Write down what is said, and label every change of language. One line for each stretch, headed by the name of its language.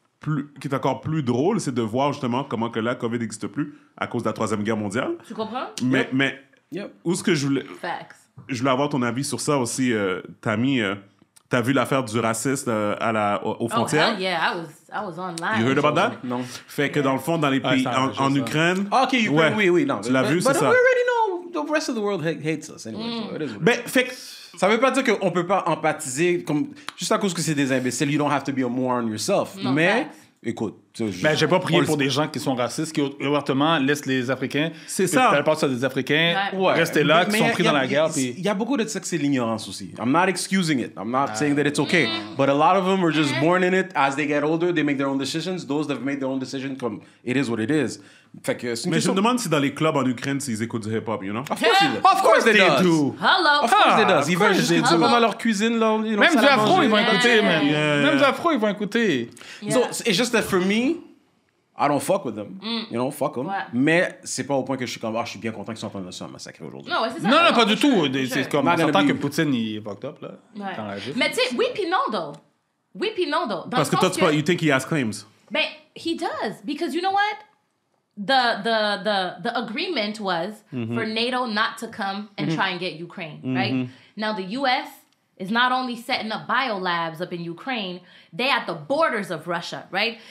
French: plus drôle, c'est de voir justement comment que la COVID n'existe plus à cause de la Troisième Guerre mondiale. Tu comprends? Mais où est-ce que je voulais...
English: Facts.
French: Je voulais avoir ton avis sur ça aussi, Tammy. T'as vu l'affaire du raciste aux frontières?
English: Oh, hell yeah, I was online. You heard about that?
French: Non. Fait que dans le fond, dans les pays, en Ukraine... OK, Ukraine, ouais. oui, non. Tu l'as vu, c'est ça?
English: But we already know the rest of the world hates us anyway. Mm. So
French: mais fait que... Ça veut pas dire qu'on peut pas empathiser comme, juste à cause que c'est des imbéciles.
English: You don't have to be a moron yourself.
French: Non, mais, écoute. Mais j'ai pas prié pour des gens qui sont racistes, qui ouvertement laissent les Africains. C'est ça. Faire partie des Africains. Ouais. Rester là, qui sont pris dans la guerre. Il y a beaucoup de ça que c'est l'ignorance aussi.
English: I'm not excusing it. I'm not saying that it's okay. But a lot of them are just born in it. As they get older, they make their own decisions. Those that have made their own decisions, comme, it is what it is.
French: Fait que mais je me demande si dans les clubs en Ukraine, s'ils écoutent du hip-hop, you know?
English: Of course they do. Hello. Of course they do.
French: Ils veulent juste être dans leur cuisine, là. Même du afro, ils vont écouter, man. Même du afro, ils vont écouter.
English: So, it's just that for me, I don't fuck with them. You know, fuck them.
French: Ouais. Mais c'est pas au point que je suis comme, ah, oh, je suis bien content qu'ils sont en train de se massacrer aujourd'hui. Non, ouais, c'est ça. Non, non, pas du tout. C'est comme, on s'entend que Poutine, il est fucked up, là. Ouais. Mais tu sais, oui, puis non, though. Oui, puis non, though. Parce que toi, tu penses, you think he has claims?
English: Ben, he does. Because you know what? The agreement was for NATO not to come and try and get Ukraine, right? Now, the U.S. is not only setting up bio labs up in Ukraine, they at the borders of Russia, right?